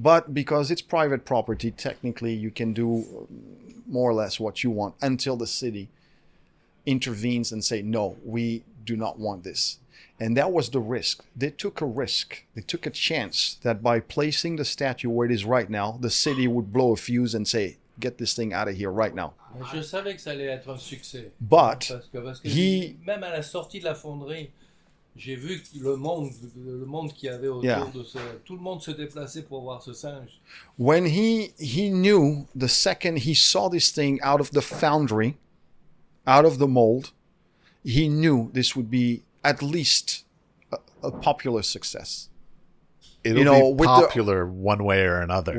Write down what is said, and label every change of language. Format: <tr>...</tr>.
<en>But because it's private property, technically you can do more or less what you want until the city intervenes and say, no, we do not want this. And that was the risk. They took a risk. They took a chance that by placing the statue where it is right now, the city would blow a fuse and say, get this thing out of here right now.</en> <fr>Je savais que ça allait être un succès.</fr> <en>But</en> <fr>parce que même à la sortie de la fonderie, j'ai vu le monde qu'il y avait autour yeah. de ça. Tout le monde se déplaçait pour voir ce singe.</fr> <en>When he knew the second he saw this thing out of the foundry, out of the mold, he knew this would be at least a popular success. It'll you know, be with popular the, one way or another.</en>